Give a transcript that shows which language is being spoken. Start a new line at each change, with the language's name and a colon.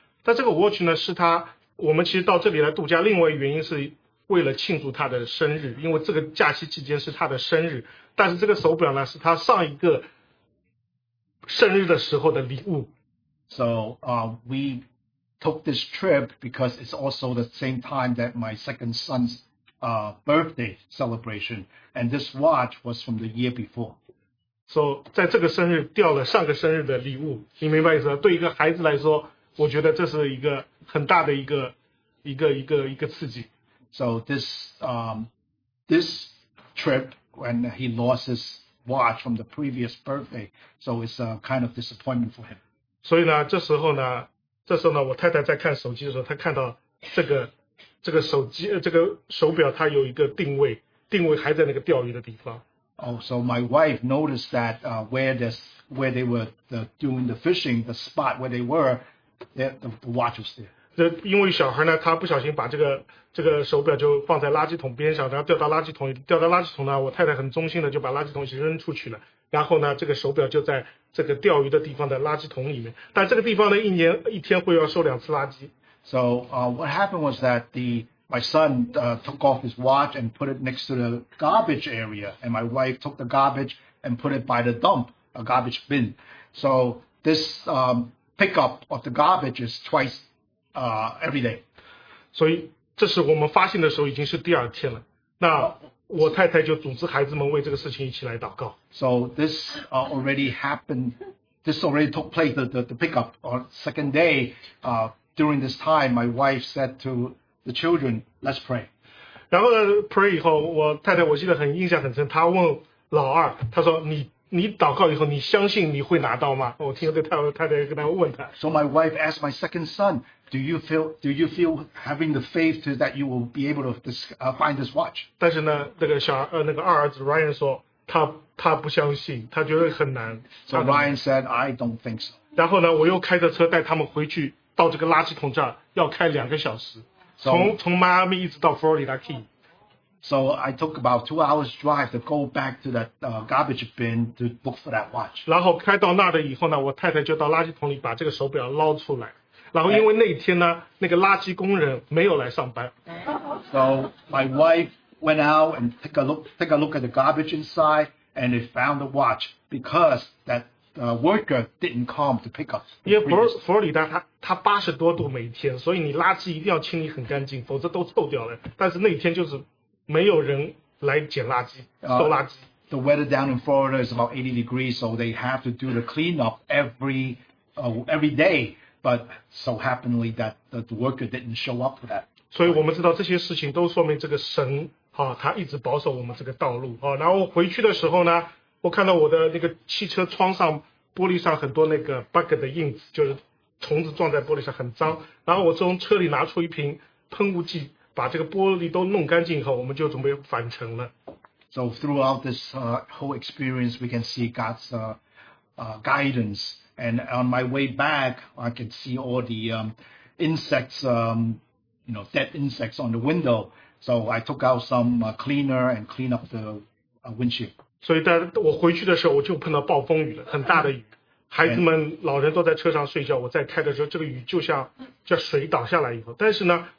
Chinese: 但这个 watch 呢，是他，我们其实到这里来度假，另外原因是为了庆祝他的生日，因为这个假期期间是他的生日。但是这个手表呢，是他上一个生日的时候的礼物。
English: So we took this trip because it's also the same time that my second son's birthday celebration, and this watch was from the year before.
Chinese: So, 在这个生日掉了上个生日的礼物，你明白意思吗？对一个孩子来说，我觉得这是一个很大的一个刺激。
English: So this this trip when he lost his watch from the previous birthday, so it's a kind of disappointment for him.
Chinese: 所以呢，这时候呢，我太太在看手机的时候，她看到这个手机这个手表，它有一个定位还在那个钓鱼的地方。
English: Oh, so my wife noticed that where they were doing the fishing, the spot where they were, the watch was there.
Chinese: 这因为小孩呢，他不小心把这个手表就放在垃圾桶边上，然后掉到垃圾桶呢，我太太很忠心的就把垃圾桶一起扔出去了。然后呢，这个手表就在这个钓鱼的地方的垃圾桶里面。但这个地方呢，一天会要收两次垃圾。
English: So, what happened was that my son took off his watch and put it next to the garbage area, and my wife took the garbage and put it by the dump, a garbage bin. So this pickup of the garbage is twice every day.
Chinese: 所以这是我们发现的时候已经是第二天了。那我太太就组织孩子们为这个事情一起来祷告。
English: So this already happened. This already took place. The pickup on second day. During this time, my wife said to the children, "Let's pray."
Chinese: 然后 pray 以后，我太太我记得很印象很深。她问老二，她说你祷告以后，你相信你会拿到吗？我听着太太跟他问他。
English: So my wife asked my second son, "Do you feel having the faith to that you will be able to this, find this watch?"
Chinese: 但是呢，那个二儿子 Ryan 说他不相信，他觉得很难。
English: So Ryan said, "I don't think so."
Chinese: 然后呢，我又开着车带他们回去到这个垃圾桶这儿，要开两个小时，从迈阿密一直到佛罗里达 Key。
English: So I took about 2 hours drive to go back to that garbage bin to look for that watch.
Chinese: 然后开到那儿了以后呢，我太太就到垃圾桶里把这个手表捞出来。然后因为那一天呢，那个垃圾工人没有来上班。
English: So my wife went out and take a look at the garbage inside, and they found the watch because that worker didn't come to pick up.
Chinese: 因为佛罗里达它80多度每天，所以你垃圾一定要清理很干净，否则都臭掉了。但是那一天就是。没有人来捡垃圾，收垃圾。
English: The weather down in Florida is about 80 degrees, so they have to do the cleanup every day. But so happenedly that the worker didn't show up for that.
Chinese: 所以我们知道这些事情都说明这个神哈，他一直保守我们这个道路啊。然后回去的时候呢，我看到我的那个汽车窗上玻璃上很多那个 bug 的印子，就是虫子撞在玻璃上很脏。然后我从车里拿出一瓶喷雾剂。把这个玻璃都弄干净以后，我们就准备返程了。
English: So throughout this whole experience, we can see God's guidance. And on my way back, I can see all the insects, dead insects on the window. So I took out some cleaner and clean up the windshield.
Chinese: 所以在我回去的时候，我就碰到暴风雨了，很大的雨。孩子们、老人都在车上睡觉，我在开的时候，这个雨就像叫水倒下来以后，但是呢。